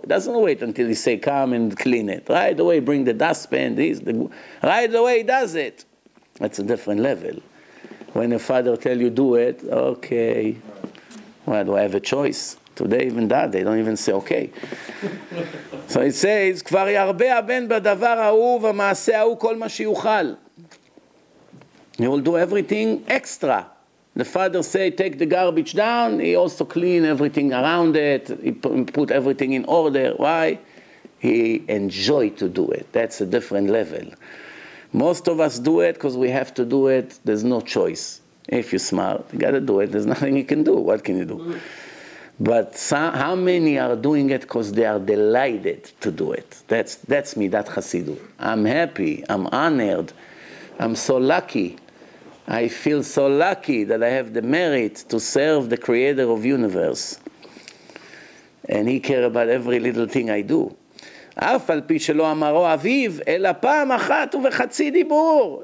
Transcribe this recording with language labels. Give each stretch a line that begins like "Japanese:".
English: He doesn't wait until he say, come and clean it. Right away, bring the dustpan. Right away, he does it. That's a different level. When a father tell you, do it, okay. Well, do I have a choice? Today, even that, they don't even say, okay. So he says,
Hebrew: כבר ירבה הבן בדבר ההוא ומעשה ההוא כל מה שיוכל.
English: He will do everything extra. The father say, take the garbage down. He also clean everything around it. He put everything in order. Why? He enjoy to do it. That's a different level. Most of us do it because we have to do it. There's no choice. If you're smart, you got to do it. There's nothing you can do. What can you do? But how many are doing it because they are delighted to do it? That's me, that Hasidu. I'm happy. I'm honored. I'm so lucky. I feel so lucky that I have the merit to serve the Creator of universe. And he cares about every little thing I do.
Hebrew: אף על פי שלא אמרו אביו, אלא פעם אחת ובחצי דיבור.